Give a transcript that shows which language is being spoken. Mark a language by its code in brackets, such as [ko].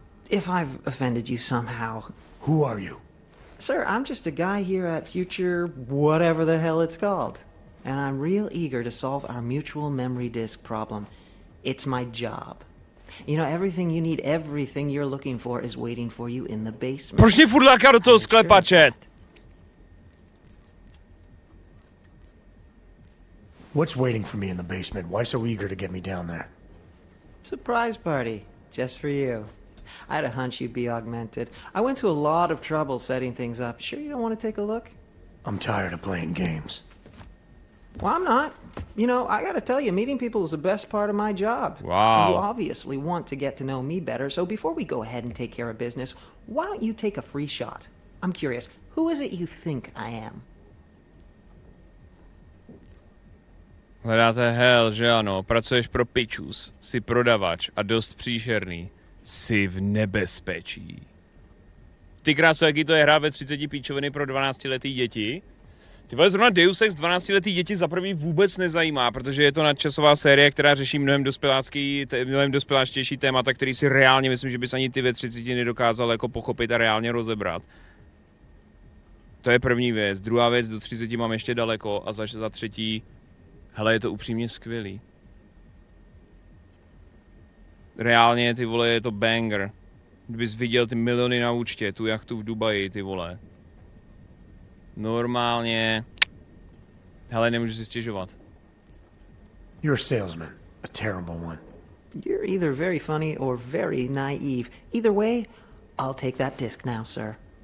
[en] If I've offended you somehow... Who are you? Sir, I'm just a guy here at Future... whatever the hell it's called. And I'm real eager to solve our mutual memory disk problem. It's my job. You know, everything you need, everything you're looking for is waiting for you in the basement. [cs] Proč mě furt láká do toho sklepa, chat? [en] What's waiting for me in the basement? Why so eager to get me down there? Surprise party, just for you. I had a hunch you'd be augmented. I went to a lot of trouble setting things up. Sure you don't want to take a look? I'm tired of playing games. Well, I'm not. You know, I gotta tell you, meeting people is the best part of my job. Wow. You obviously want to get to know me better, so before we go ahead and take care of business, why don't you take a free shot? I'm curious, who is it you think I am? [cs] Hledáte hell, že ano? Pracuješ pro pičus, jsi prodavač a dost příšerný. Jsi v nebezpečí. Ty krásu, jaký to je hra ve 30 píčoviny pro 12-letý děti? Ty vole, zrovna Deus Ex 12-letý děti za prvý vůbec nezajímá, protože je to nadčasová série, která řeší mnohem dospěláctější témata, který si reálně myslím, že bys ani ty ve 30 nedokázal jako pochopit a reálně rozebrat. To je první věc. Druhá věc, do 30 mám ještě daleko a za třetí, hele, je to upřímně skvělý. Reálně, ty vole, je to banger. Kdybys viděl ty miliony na účtě, tu jachtu v Dubaji, ty vole. Normálně. Hele, nemůžu si stěžovat. [en] You're a salesman, a terrible one. You're either very funny or very naive. Either way, I'll take that disc now, sir.